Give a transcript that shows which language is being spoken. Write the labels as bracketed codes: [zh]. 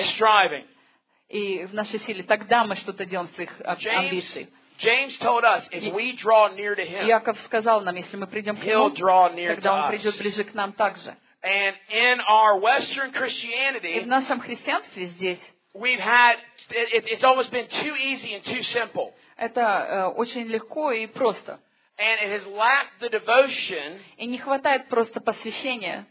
[en] it's striving. [ru] И в нашей силе, тогда мы что-то делаем своих амбиций. [en] James told us, if we draw near to him, [ru] Яков сказал нам, если мы придем к нему, [en] he'll draw near [ru] тогда он придет ближе к нам также. [en] And in our Western Christianity, [ru] и в нашем христианстве здесь, [en] we've had, it's always been too easy and too simple. [ru] Это очень легко и просто. [en] And it has lacked the devotion, [ru] и не хватает просто посвящения,